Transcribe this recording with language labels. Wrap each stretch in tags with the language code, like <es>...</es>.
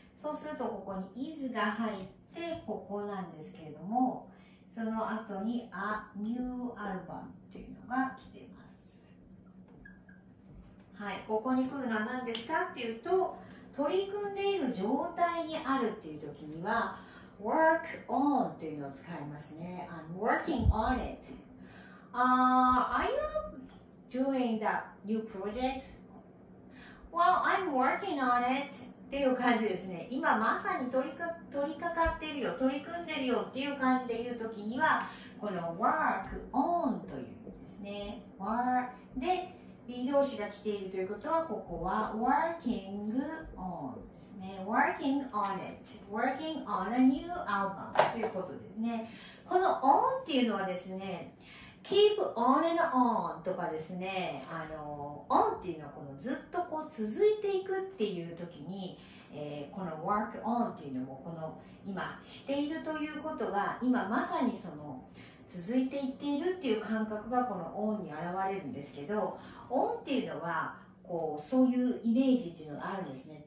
<ja>そうするとここに is が入ってここなんですけれども、その後に</ja> <en>a new album</en> <ja>というのが来てます。はい、ここに来るのは何ですかっていうと、取り組んでいる状態にあるっていう時には</ja> <en>work on</en> <ja>というのを使いますね。 I'm working on it、I am doing that new project.</ja> <en>Well, I'm working on it</en> <ja>っていう感じですね。今まさに取り掛かってるよ、取り組んでるよっていう感じで言う時にはこの</ja> <en>work on</en> <ja>というですね。 work で B 動詞が来ているということは、ここは</ja> <en>working on</en> <ja>ですね。</ja> <en>working on it、 working on a new album</en> <ja>ということですね。この on っていうのはですね、</ja> <en>keep on and on</en> <ja>とかですね、あの on っていうのはこのずっとこう続いていくっていう時に、この</ja> <en>work on</en> <ja>っていうのもこの今しているということが今まさにその続いていっているっていう感覚がこの on に現れるんですけど、on っていうのはこうそういうイメージっていうのがあるんですね。</ja>